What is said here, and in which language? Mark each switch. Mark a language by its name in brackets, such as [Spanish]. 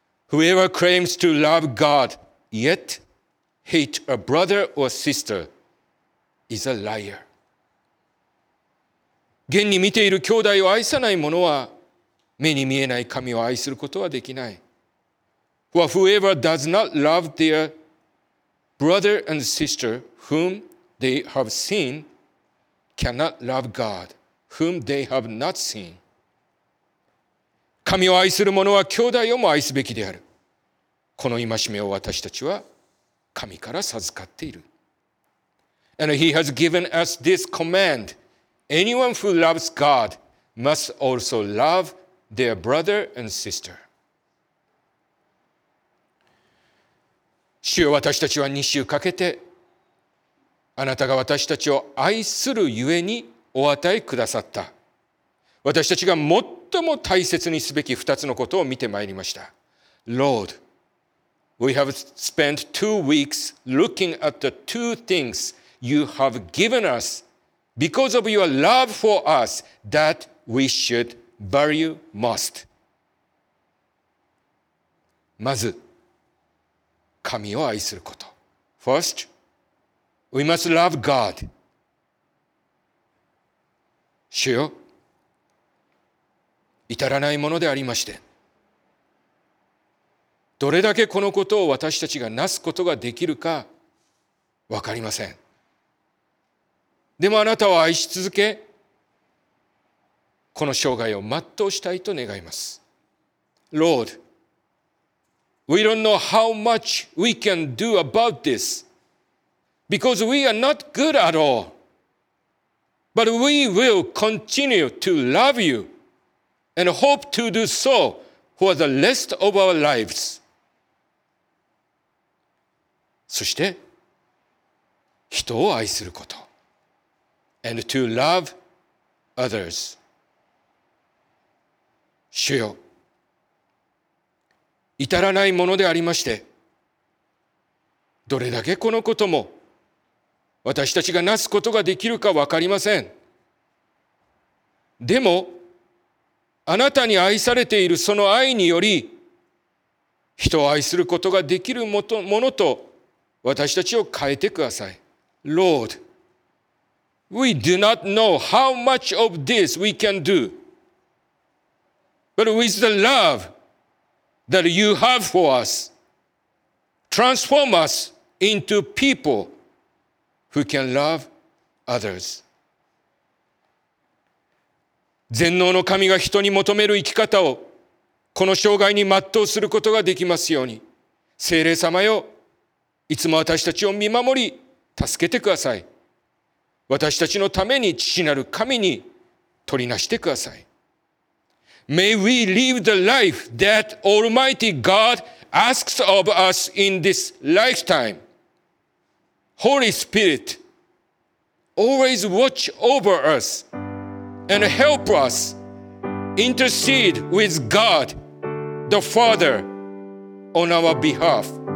[English] Whoever claims to love God yet hate a brother or sister is a liar。 [Japanese] 現に見ている兄弟を愛さない者は、目に見えない神を愛することはできない。 [English] Whoever does not love their brother and sister whom they have seen cannot love God whom they have not seen。 [Japanese] 神を愛する者は兄弟をも愛すべきである。この戒めを私たちは神から授かっている。 [English] And he has given us this command: anyone who loves God must also love their brother and sister。 [Japanese] 主よ、私たちは2週かけてあなたが私たちを愛するゆえにお与えくださった、私たちが最も大切にすべき2つのことを見てまいりました。 [English] Lord, we have spent 2 weeks looking at the 2 things you have given us because of your love for us that we should value most。 [Japanese] まず神を愛すること。 [English] FirstWe must love God. [Japanese] 主よ、至らないものでありまして、どれだけこのことを私たちがなすことができるか分かりません。でもあなたを愛し続け、この生涯を全うしたいと願います。 [English] Lord, we don't know how much we can do about this. Because we are not good at all. But we will continue to love you and hope to do so for the rest of our lives. [Japanese] そして、人を愛すること。 [English] And to love others. [Japanese] 主よ、至らないものでありまして、どれだけこのことも私たちがなすことができるか分かりません。でもあなたに愛されているその愛により人を愛することができるものと私たちを変えてください。 [English] Lord, we do not know how much of this we can do, but with the love that you have for us, transform us into people who can love others. [Japanese] 全能の神が人に求める生き方をこの生涯に全うすることができますように、聖霊様よ、いつも私たちを見守り助けてください。私たちのために父なる神に取りなしてください。 [English] May we live the life that Almighty God asks of us in this lifetime. Holy Spirit, always watch over us and help us intercede with GodThe Father on our behalf.